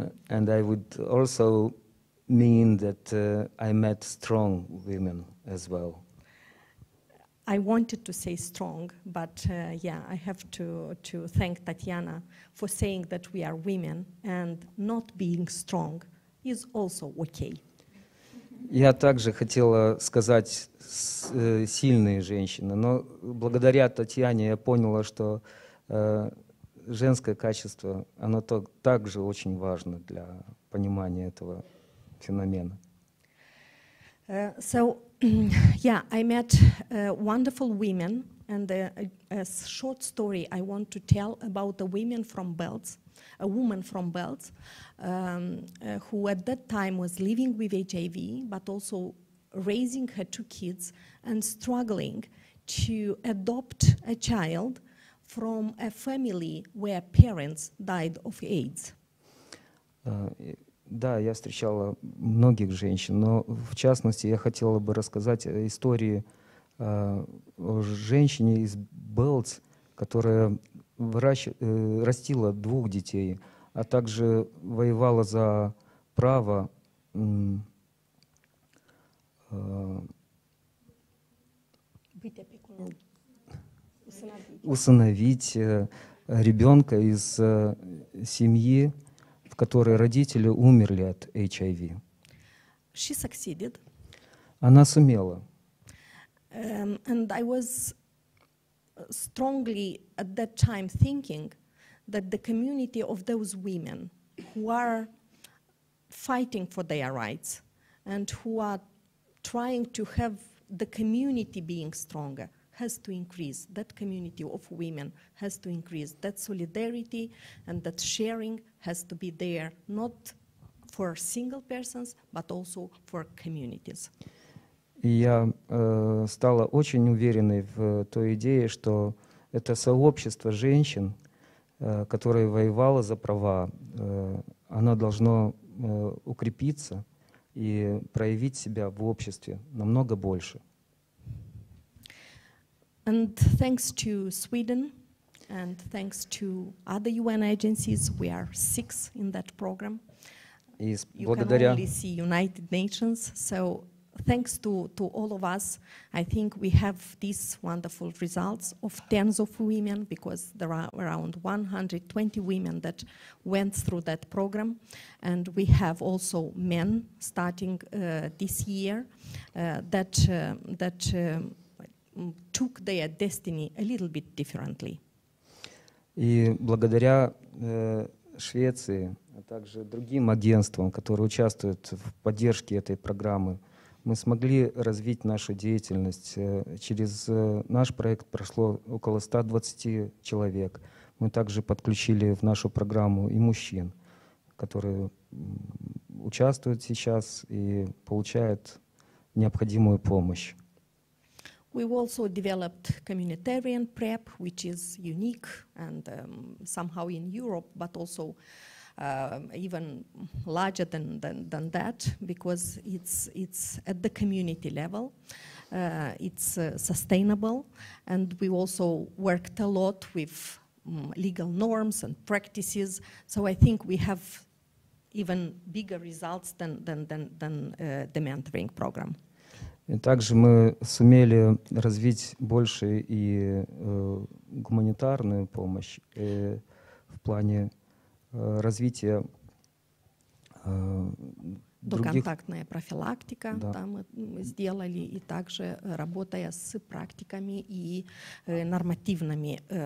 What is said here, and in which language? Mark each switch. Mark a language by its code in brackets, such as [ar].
[en] And I would also mean that I met strong women as well. I wanted to say strong, but I have to thank Tatiana for saying that we are women, and not being strong is also okay. [ru] Я также хотела сказать сильные женщины, но благодаря Татьяне я поняла, что женское качество, оно также очень важно для понимания этого феномена. [en] I met wonderful women, and a short story I want to tell about a woman from Belz, who at that time was living with HIV, but also raising her two kids and struggling to adopt a child from a family where parents died of AIDS. [ru] Да, я встречала многих женщин, но в частности я хотела бы рассказать о истории о женщине из Белц, которая растила двух детей, а также воевала за право усыновить ребенка из семьи, в которой родители умерли от HIV. [en] She succeeded. [ru] Она сумела. [en] And I was strongly at that time thinking that the community of those women who are fighting for their rights and who are trying to have the community being stronger has to increase. That community of women has to increase. That solidarity and that sharing has to be there, not for single persons, but also for communities. [ru] Я стала очень уверенной в той идее, что это сообщество женщин, которое воевало за права, оно должно укрепиться и проявить себя в обществе намного больше. [en] And thanks to Sweden, and thanks to other UN agencies, we are six in that program. [ru] Благодаря... [en] You can only see United Nations. So thanks to all of us, I think we have these wonderful results of tens of women, because there are around 120 women that went through that program. And we have also men starting this year took their destiny a little bit differently. [ru] И благодаря Швеции, а также другим агентствам, которые участвуют в поддержке этой программы, мы смогли развить нашу деятельность. Через наш проект прошло около 120 человек. Мы также подключили в нашу программу и мужчин, которые участвуют сейчас и получают необходимую помощь. [en] We also developed communitarian PrEP, which is unique and somehow in Europe, but also even larger than that, because it's at the community level, it's sustainable, and we also worked a lot with legal norms and practices. So I think we have even bigger results than the mentoring program. [ru] И также мы сумели развить больше и гуманитарную помощь в плане развития доконтактная профилактика, да. Там мы сделали, и также работая с практиками и нормативными